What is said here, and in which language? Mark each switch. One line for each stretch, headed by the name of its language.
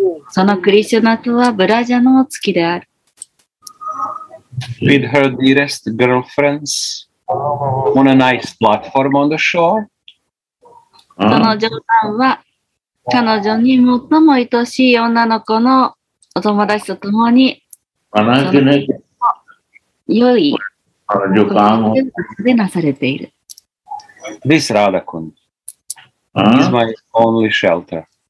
Japanese: そのクリシュナとはブラジャの月である。
English: With her dearest girlfriends on a nice platform on the shore.
Japanese: その冗談は彼女に最も愛しい女の子のお友達と共に良い旅館でなされている。
English: This Radhakund is my only shelter.